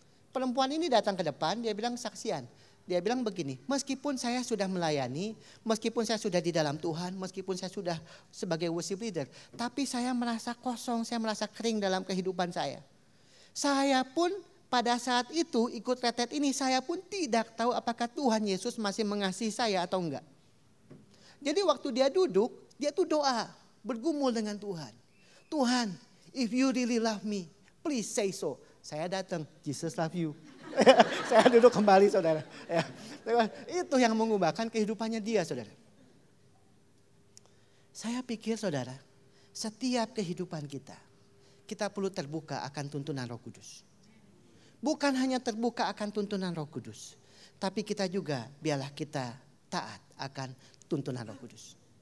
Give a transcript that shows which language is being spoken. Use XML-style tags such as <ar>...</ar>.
<id>Perempuan ini datang ke depan, dia bilang saksian. Dia bilang begini, meskipun saya sudah melayani, meskipun saya sudah di dalam Tuhan, meskipun saya sudah sebagai worship leader, tapi saya merasa kosong, saya merasa kering dalam kehidupan saya. Saya pun pada saat itu ikut retret ini, saya pun tidak tahu apakah Tuhan Yesus masih mengasihi saya atau enggak. Jadi waktu dia duduk, dia tuh doa, bergumul dengan Tuhan. Tuhan,</id> <en>if you really love me, please say so.</en> <id>Saya datang,</id> <en>Jesus love you.</en> <id>Saya duduk kembali, saudara. Ya. Itu yang mengubahkan kehidupannya dia, saudara. Saya pikir, saudara, setiap kehidupan kita, kita perlu terbuka akan tuntunan Roh Kudus. Bukan hanya terbuka akan tuntunan Roh Kudus, tapi kita juga biarlah kita taat akan tuntunan Roh Kudus.</id>